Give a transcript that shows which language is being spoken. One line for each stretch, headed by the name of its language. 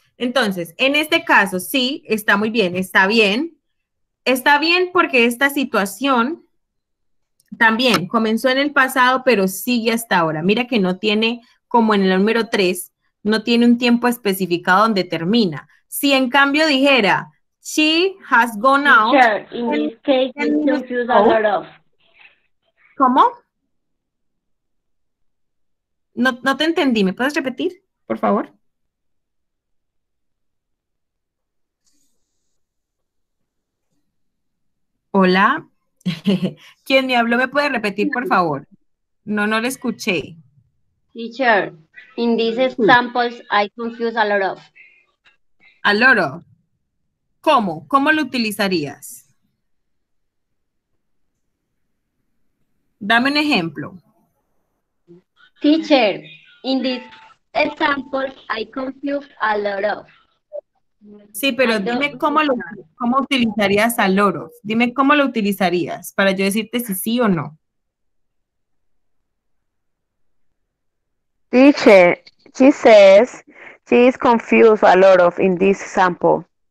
Spanish: Entonces, en este caso, sí, está muy bien, está bien. Está bien porque esta situación también comenzó en el pasado, pero sigue hasta ahora. Mira que no tiene, como en el número 3, no tiene un tiempo especificado donde termina. Si en cambio dijera,
English: she has gone out. Sure, in this case, it confused a lot of.
Spanish: ¿Cómo? No, no te entendí, ¿me puedes repetir? Por favor. Hola. ¿Quién me habló? ¿Me puede repetir, por favor? No, no lo escuché.
English: Teacher, in these examples, I confuse a lot of. A lot of.
Spanish: ¿Cómo? ¿Cómo lo utilizarías? Dame un ejemplo.
English: Teacher, in this example, I confuse a lot of.
Spanish: Sí, pero dime cómo utilizarías
English: a lot of.
Spanish: Dime cómo lo utilizarías para yo decirte si sí o no.
English: Teacher, she says she is confused a lot of in this example.